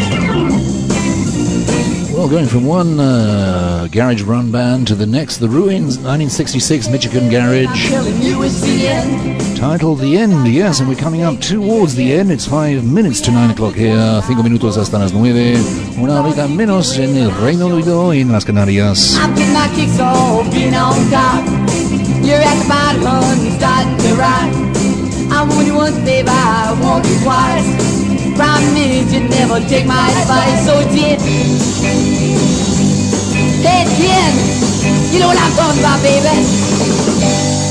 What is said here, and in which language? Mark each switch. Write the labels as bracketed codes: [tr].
[en] going from one garage run band to the next, The Ruins, 1966, Michigan Garage. Titled The End, yes, and we're coming up towards the end. It's 5 minutes to 9 o'clock here. [es] 5 minutos hasta las nueve. Una horita menos en el Reino Unido y en las Canarias. [en] I've been my kicks off, been on top. You're at the bottom, you're starting to rot. I warned you once, babe, I warned you twice. Promise you'd never take my advice. So it's the end. It's the end. You know what I'm talking about, baby.